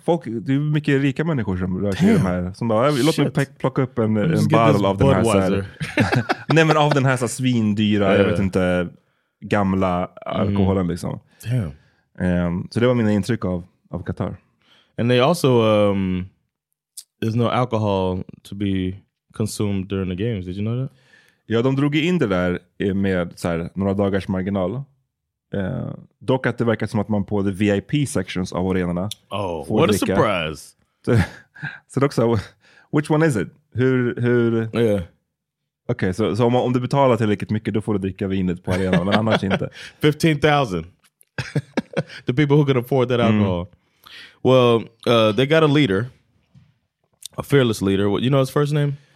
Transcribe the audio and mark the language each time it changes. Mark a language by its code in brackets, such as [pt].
[sv] Folk, det är mycket rika människor som rör sig i de här. Som bara, låt mig plocka upp en bottle av den här. Så här. Nej, men av den här så svindyra, jag vet inte, gamla alkoholen liksom. [en] Damn. [sv] Så det var mina intryck av Qatar. [en] And they also, there's no alcohol to be consumed during the games. Did you know that? [sv] Ja, de drog in det där med så här, några dagars marginal. Dock att det verkar som att man på [en] the VIP sections [sv] av arenorna. [en] Oh, what a surprise. [sv] Så dock, så [en] which one is it? [sv] Hur [en] yeah. [sv] Okej, okay, så om du betalar tillräckligt mycket, då får du dricka vinet på arenan, men annars inte. [en] 15,000. The people who can afford that alcohol. Well, they got a leader. A fearless leader. You know his first name?